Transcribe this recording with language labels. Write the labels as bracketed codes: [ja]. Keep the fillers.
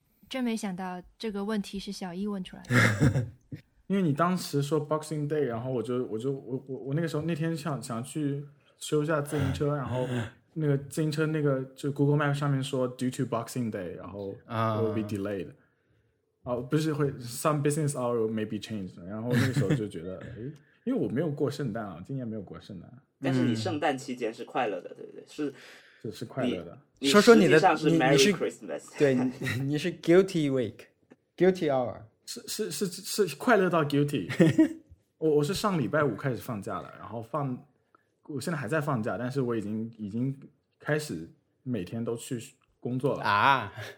[zh] 真没想到这个问题是小易、e、问出来的。因为你当时说 Boxing Day，然后我就我就我我我那个时候那天想想去修一下自行车，然后那个自行车那个就 Google Map 上面说 [en] Due to Boxing Day， [zh] 然后 [en] will be delayed、 [zh] 啊。哦，不是会 [en] Some business hour may be changed。 [zh] 然后那个时候就觉得，诶， 因为我没有过圣诞啊，今年没有过圣诞、啊。但是你圣诞期间是快乐的，对不对？是，是,是快乐的。说说你的，你是，对，你是 [en] gu week, Guilty Week，Guilty Hour。 [zh] 是是是是快乐到 guilty，我我是上礼拜五开始放假了，然后放，我现在还在放假，但是我已经已经开始每天都去工作了啊。